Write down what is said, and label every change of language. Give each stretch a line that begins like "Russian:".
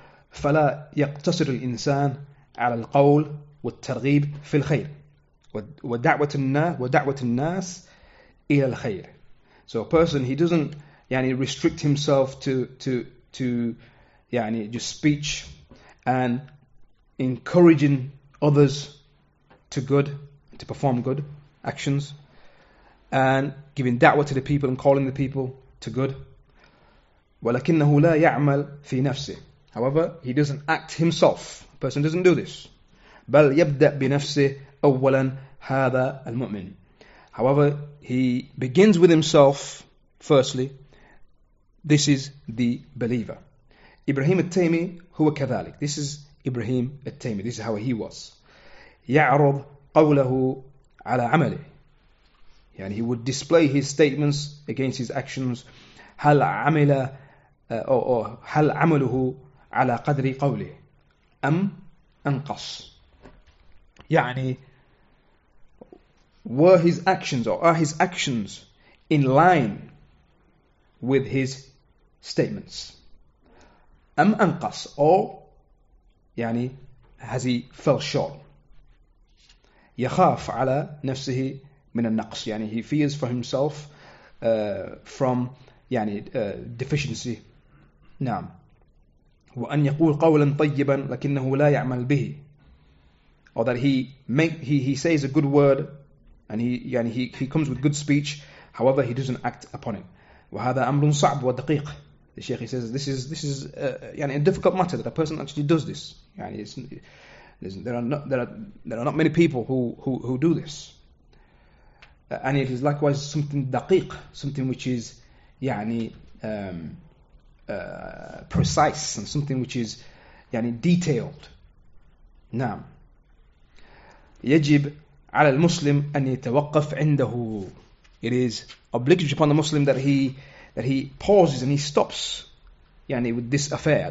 Arabic: فلا يقتصر الإنسان على القول والترغيب في الخير ودعوة الناس إلى الخير.
English: So a person, he doesn't restrict himself to just speech and encouraging others to good, to perform good actions, and giving da'wah to the people and calling the people to good.
Arabic: وَلَكِنَّهُ لَا يَعْمَلْ فِي نَفْسِهِ.
English: However, he doesn't act himself. A person doesn't do this.
Arabic: بَلْ يَبْدَأْ بِنَفْسِهِ أَوَّلًا هَذَا الْمُؤْمِنِ.
English: However, he begins with himself, firstly. This is the believer. Ibrahim al-Taymi
Arabic: huwa kadhalik.
English: This is Ibrahim al-Taymi. This is how he was.
Arabic: يعرض قوله على عمله.
English: يعني he would display his statements against his actions.
Arabic: هل عمل هل عمله على قدر قوله أم أنقص.
English: يعني were his actions or are his actions in line with his statements
Arabic: أم أنقص,
English: or has he fell short.
Arabic: يخاف على نفسه من النقص.
English: He fears for himself from deficiency.
Arabic: نعم. وأن يقول قولا طيبا لكنه لا يعمل به.
English: Or that he says a good word and he comes with good speech, however he doesn't act upon it.
Arabic: وهذا أمر صعب ودقيق.
English: The Sheikh, he says this is a difficult matter that a person actually does this. There are not many people who do this, and it is likewise something daqiq, something which is precise, and something which is detailed.
Arabic: نعم. يجب على المسلم أن يتوقف عنده.
English: It is obligatory upon the Muslim that he pauses and he stops with this affair.